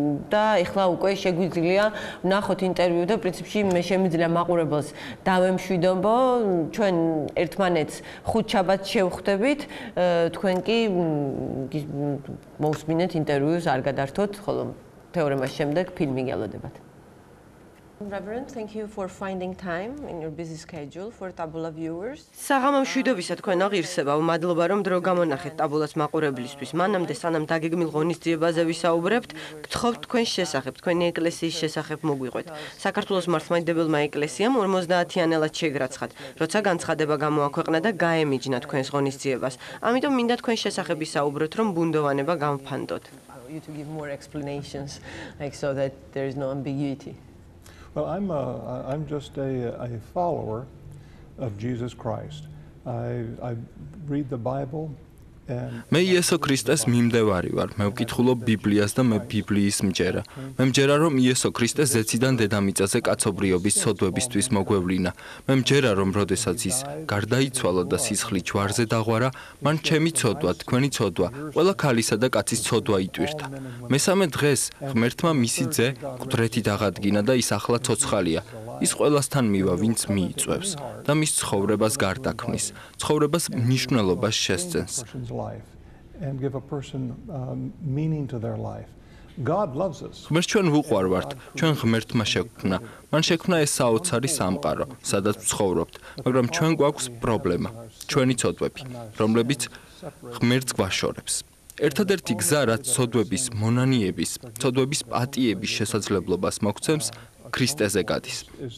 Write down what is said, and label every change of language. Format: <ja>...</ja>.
<ka>და ეხლა უკვე შეგვიძლია ნახოთ ინტერვიუ და პრინციპში მე შემიძლია მაყურებელს დავემშვიდობო, ჩვენ ერთმანეთს ხუთ ჩაბათ შევხვდებით, თქვენ კი მოუსმინეთ ინტერვიუს არ გადართოთ, ხოლო თეორემას შემდეგ ფილმი გელოდებათ.</ka> <en>Reverend, thank you for finding time in your busy schedule for Tabula viewers.</en> <ka>საღამო მშვიდობისა თქვენ აღირსება. მადლობა რომ დრო გამონახეთ ტაბულას მაყურებლისთვის. მანამდე სანამ დაგეგმილ ღონისძიებაზე ვისაუბრებთ, გთხოვთ თქვენ შესახებ, თქვენი ეკლესიის შესახებ მოგვიყვეთ. საქართველოს მართლმადიდებელმა ეკლესიამ 50-იანელად შეგრაცხათ, როცა განცხადება გამოაქვეყნა და გაემიჯნა თქვენს ღონისძიებას. ამიტომ მინდა თქვენ შესახებ ვისაუბროთ, რომ ბუნდოვანება გამფანდოთ.</ka> <en>You to give more explanations like so that there is no ambiguity. Well, I'm just a follower of Jesus Christ. I read the Bible</en> <ka>მე იესო ქრისტეს მიმდევარი ვარ. მე ვკითხულობ ბიბლიას და მე ბიბლიის მჯერა. მე მჯერა, რომ იესო ქრისტე ზეციდან დედამიწაზე კაცობრიობის ცოდვებისთვის მოგვევლინა. მე მჯერა, რომ როდესაც ის გარდაიცვალა და სისხლი ჯვარზე დაღვარა, მან ჩემი ცოდვა, თქვენი ცოდვა, ყველა ქალისა და კაცის ცოდვა იტვირთა. მესამე დღეს ღმერთმა მისი ძე კვდრეთი დაღადგინა და ის ახლა ცოცხალია. ის ყველასთან მივა, ვინც მიიწვევს და მის ცხოვრებას გარდაქმნის, ცხოვრებას მნიშვნელობას შესწენს.</ka> <en>And give a person meaning to their life. God loves us.</en> <ka>ღმერთს ჩვენ ვუყვარვართ, ჩვენ ღმერთმა შექმნა. მან შექმნა ეს საოცარი სამყარო, სადაც ვცხოვრობთ, მაგრამ ჩვენ გვაქვს პრობლემა, ჩვენი ცოდვები, რომლებიც ღმერთს გვაშორებს. ერთადერთი გზა, რაც ცოდვების მონანიების, ცოდვების პატიების შესაძლებლობას მოგცემს, ქრისტეზე გადის.</ka>